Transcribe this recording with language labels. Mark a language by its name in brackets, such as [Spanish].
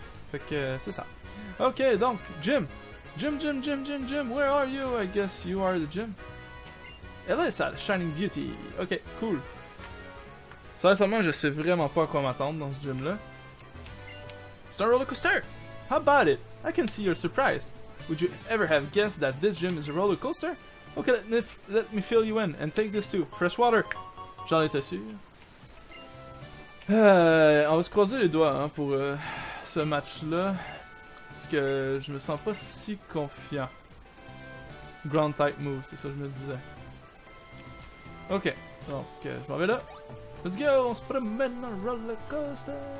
[French] Fait que c'est ça. Ok, donc, gym, [English] where are you? I guess you are the gym. [French] Elle est sale, [English] Shining Beauty. Ok, cool. [French] Sincèrement, je sais vraiment pas à quoi m'attendre dans ce gym là. C'est un roller coaster! [English] How about it? I can see you're surprised. Would you ever have guessed that this gym is a roller coaster? Ok, let me fill you in and take this too. Fresh water! [French] J'en étais sûr. On va se croiser les doigts hein, pour ce match là. Parce que je me sens pas si confiant. [English] Ground type move, [French] c'est ça que je me disais. Ok, donc je m'en vais là. [English] Let's go, [French] on se promène en roller coaster.